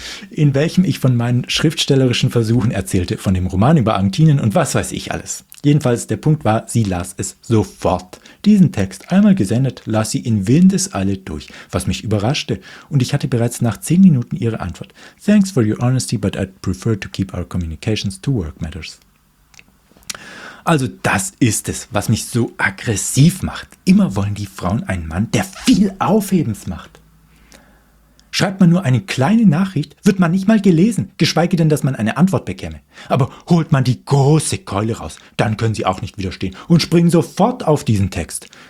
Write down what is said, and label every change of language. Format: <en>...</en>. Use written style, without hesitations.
<de>In welchem ich von meinen schriftstellerischen Versuchen erzählte, von dem Roman über Antinen und was weiß ich alles. Jedenfalls, der Punkt war, sie las es sofort. Diesen Text, einmal gesendet, las sie in Windeseile durch, was mich überraschte. Und ich hatte bereits nach 10 Minuten ihre Antwort.</de> <en>Thanks for your honesty, but I'd prefer to keep our communications to work matters.</en> <de>Also das ist es, was mich so aggressiv macht. Immer wollen die Frauen einen Mann, der viel Aufhebens macht. Schreibt man nur eine kleine Nachricht, wird man nicht mal gelesen, geschweige denn, dass man eine Antwort bekäme. Aber holt man die große Keule raus, dann können sie auch nicht widerstehen und springen sofort auf diesen Text.</de>